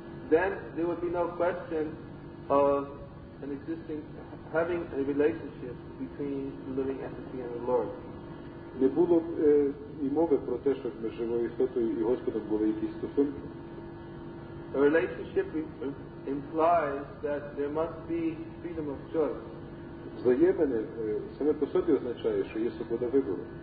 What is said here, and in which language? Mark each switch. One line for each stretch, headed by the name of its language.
English: then there would be no question of an existing, having a relationship between the living entity and the Lord.
Ukrainian: Не було б і мови про те, що між живою істотою і Господом були якісь стосунки.
English: A relationship implies that there must be freedom of choice.
Ukrainian: Взаємини саме по собі означає, що є свобода вибору.